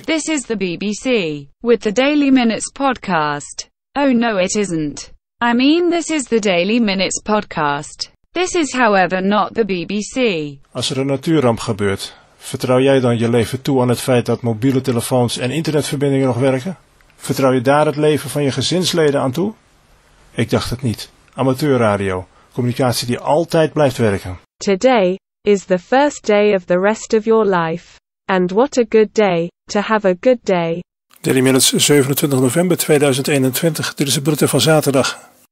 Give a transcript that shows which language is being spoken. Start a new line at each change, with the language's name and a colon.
English: This is the BBC, with the Daily Minutes podcast. Oh no, it isn't. I mean, this is the Daily Minutes podcast. This is however not the BBC.
Dutch: Als er een natuurramp gebeurt, vertrouw jij dan je leven toe aan het feit dat mobiele telefoons en internetverbindingen nog werken? Vertrouw je daar het leven van je gezinsleden aan toe? Ik dacht het niet. Amateurradio, communicatie die altijd blijft werken.
English: Today is the first day of the rest of your life. And what a good day, to have a good day.
Dutch: Daily Minutes, 27 november 2021. Dit is het bulletin van zaterdag.